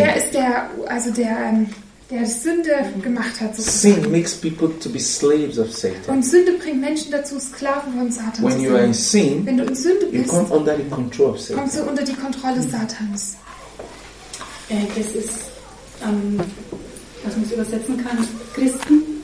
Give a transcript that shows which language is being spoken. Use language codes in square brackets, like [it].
[de] Er ist der, also der der Sünde gemacht hat. [en] Sin makes people to be slaves of Satan. [de] Und Sünde bringt Menschen dazu, Sklaven von Satan [en] when [de] zu sein. [en] Sin, [de] wenn du in Sünde bist, [en] you come under the control of Satan. [de] Kommst du unter die Kontrolle Satans. Das ist, was man es übersetzen kann, Christen,